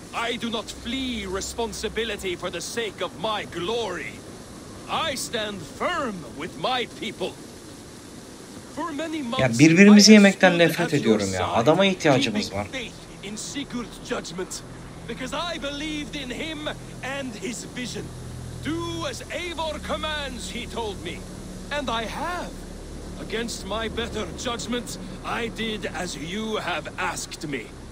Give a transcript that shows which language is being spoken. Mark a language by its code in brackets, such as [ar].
[en] I do not flee responsibility for the sake of my glory. I stand firm with my people. For many months. [tr] Ya birbirimizi yemekten nefret ediyorum ya. Adama ihtiyacımız var. [en] In Sigurd's judgment, because I believed in him and his vision. Do as Eivor commands, he told me. And I have. Against my better judgment, I did as you have asked me.